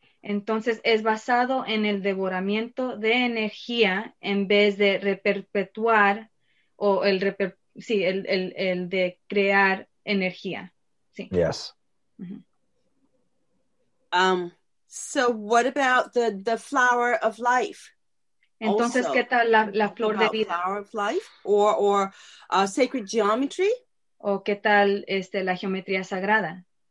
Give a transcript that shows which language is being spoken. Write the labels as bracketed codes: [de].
[es] Entonces, es basado en el devoramiento de energía en vez de reperpetuar o el reper, sí, el de crear energía. Sí. [en] Yes. Mm-hmm. So what about the flower of life? [es] Entonces, also, ¿qué tal la flor de vida? [en] Flower of life or sacred geometry? [es] ¿O qué tal la geometría sagrada?